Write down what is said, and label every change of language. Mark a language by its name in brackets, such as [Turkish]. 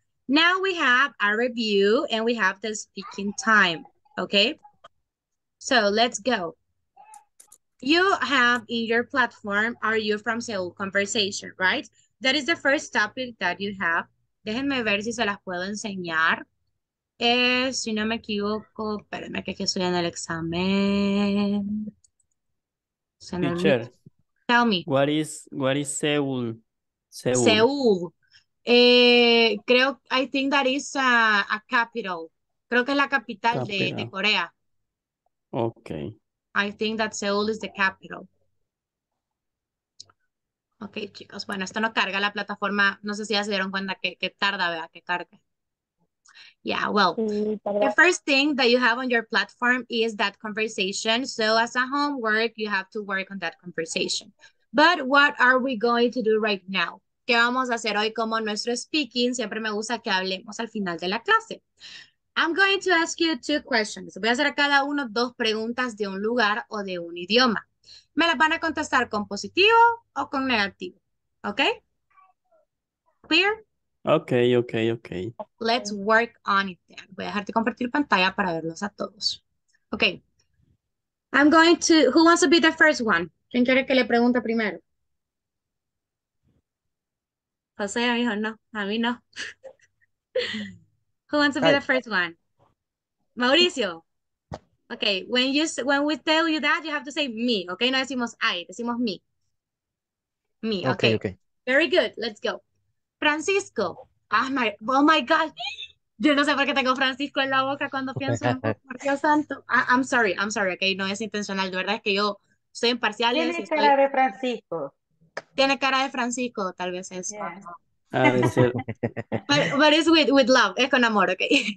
[English] Now we have a review and we have the speaking time, okay? So let's go. You have in your platform, are you from Seoul conversation, right? That is the first topic that you have. [Spanish] Déjenme ver si se las puedo enseñar. Si no me equivoco, espérenme que aquí estoy en el examen. [English] Teacher, tell me. What is Seoul? Seoul. Seoul. Creo, I think that is a capital. [Spanish] Creo que es la capital de Corea. [English] Okay. I think that Seoul is the capital. [Spanish] Okay, chicos. Bueno, esto no carga la plataforma. No sé si ya se dieron cuenta que tarda, ¿verdad? Que cargue. [English] Yeah, well, the first thing that you have on your platform is that conversation. So as a homework, you have to work on that conversation. But what are we going to do right now? [Spanish] ¿Qué vamos a hacer hoy como nuestro speaking? Siempre me gusta que hablemos al final de la clase. [English] I'm going to ask you two questions. [Spanish] Voy a hacer a cada uno dos preguntas de un lugar o de un idioma. ¿Me las van a contestar con positivo o con negativo? [English] ¿Ok? ¿Clear? Ok, ok, ok. Let's work on it then. [Spanish] Voy a dejarte compartir pantalla para verlos a todos. [English] Ok. I'm going to... Who wants to be the first one? [Spanish] ¿Quién quiere que le pregunte primero? José, a mí no. A mí no. [English] Who wants to be the first one? Mauricio. Ok, when we tell you that, you have to say me, ok? [Spanish] No decimos I, decimos me. Me, okay. [English] Okay, okay. Very good, let's go. Francisco. Oh my God. [Spanish] Yo no sé por qué tengo Francisco en la boca cuando pienso en Mario Santo. [English] I'm sorry, ok? [Spanish] No es intencional, de verdad es que yo soy imparcial. Tiene cara de Francisco. Tiene cara de Francisco, tal vez es. [English] Yeah. but it's with love, [Spanish] es con amor, [English] okay.